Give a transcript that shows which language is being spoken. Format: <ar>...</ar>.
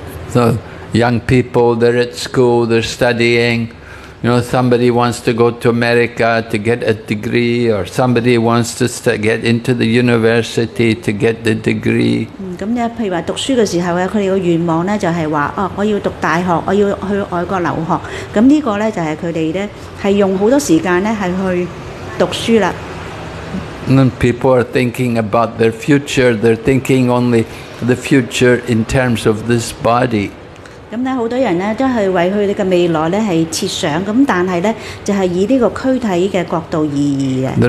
<en>So young people, they're at school, they're studying. You know, somebody wants to go to America to get a degree, or somebody wants to get into the university to get the degree.</en> <zh>譬如读书的时候，他们的愿望就是说，我要读大学，我要去外国留学。这个就是他们用很多时间去读书了。</zh> <en>And then people are thinking about their future. They're thinking only the future in terms of this body.</en> <zh>很多人都是为他们的未来设想，但是以这个躯体的角度而言。</zh> <en>They're</en>